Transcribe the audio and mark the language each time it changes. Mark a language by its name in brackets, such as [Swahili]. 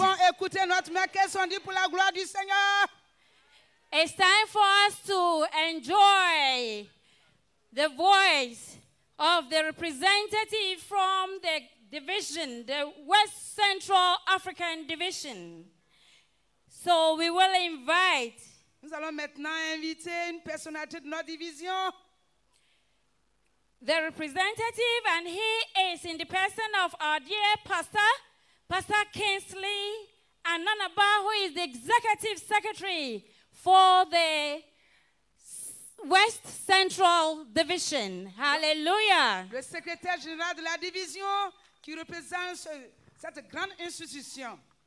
[French] Avons écouté notre mère, qu'est-ce qu'on dit pour la gloire du Seigneur? [English] It's time for us to enjoy the voice of the representative from the division, the West Central African Division. So we will invite. [French] Nous allons maintenant inviter une personnalité de notre division. [English] The representative, and he is in the person of our dear pastor, Pastor Kingsley Ananaba, who is the executive secretary for the West Central Division. Hallelujah. [French] Le secrétaire général de la division qui représente cette grande institution.